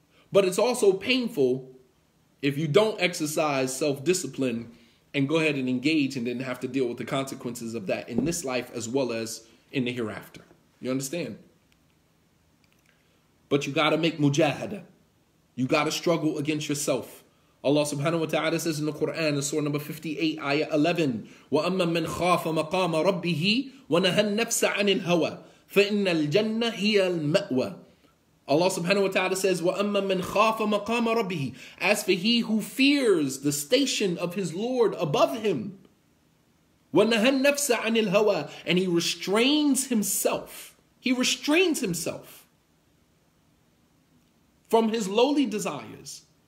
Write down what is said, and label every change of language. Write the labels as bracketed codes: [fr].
[en] But it's also painful if you don't exercise self-discipline and go ahead and engage and then have to deal with the consequences of that in this life as well as in the hereafter. You understand? But you got to make mujahada. You got to struggle against yourself. Allah subhanahu wa ta'ala says in the Quran, in Surah number 58, ayah 11, [ar] وَأَمَّا مَنْ خَافَ مَقَامَ رَبِّهِ وَنَهَى النَّفْسَ عَنِ الْهَوَى فَإِنَّ الْجَنَّةِ هِيَ الْمَأْوَى. [en] Allah subhanahu wa ta'ala says, [ar] وَأَمَّا مَنْ خَافَ مَقَامَ رَبِّهِ. [en] As for he who fears the station of his Lord above him, [ar] وَنَهَى النَّفْسَ عَنِ الْهَوَى. [en] And he restrains himself. He restrains himself from his lowly desires.